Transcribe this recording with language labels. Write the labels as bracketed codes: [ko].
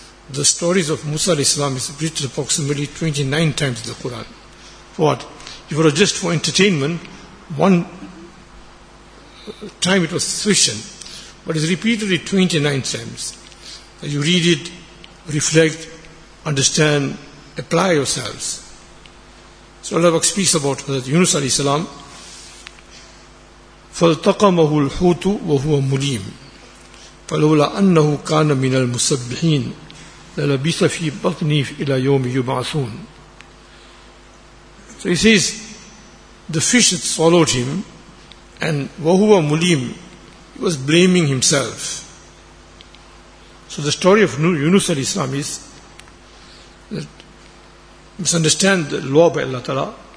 [en] The stories of Musa alayhi salam is written approximately 29 times in the Quran. For what? If it was just for entertainment, one time it was sufficient, but it's repeatedly 29 times. You read it, reflect, understand, apply yourselves. So Allah speaks about that Yunus alayhi salam, [ar] فَالْتَقَمَهُ الْحُوتُ وَهُوَ مُلِيمٌ فَلَوْلَا أَنَّهُ كَانَ مِنَ الْمُسَبِّحِينَ لَلَبِثَ فِي بَطْنِهِ إِلَى يَوْمِ يُبْعَثُونَ. [en] So he says, the fish had swallowed him, and [ar] وَهُوَ مُلِيمٌ, [en] he was blaming himself. So the story of Yunus alayhi salam is that misunderstand the law by Allah Ta'ala.